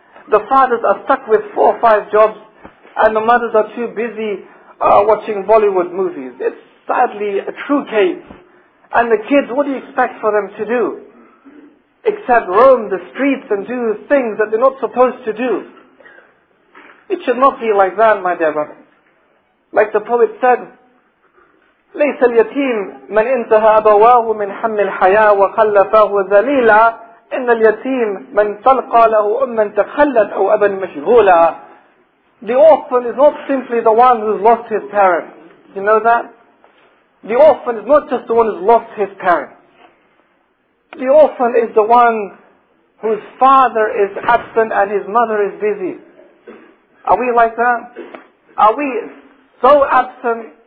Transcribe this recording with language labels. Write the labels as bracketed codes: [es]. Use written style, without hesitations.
[en] The fathers are stuck with 4 or 5 jobs and the mothers are too busy watching Bollywood movies. It's sadly a true case. And the kids, what do you expect for them to do? Except roam the streets and do things that they're not supposed to do. It should not be like that, my dear brother. Like the poet said, [ar] ليس اليتيم من انتهى أبواه من حمل الحياة وخلفه ذليلا إن اليتيم من تلقى له أما تخلت أو أبا مشغولا. [en] The orphan is not simply the one who's lost his parents. You know that? The orphan is not just the one who's lost his parents. The orphan is the one whose father is absent and his mother is busy. Are we like that? Are we so absent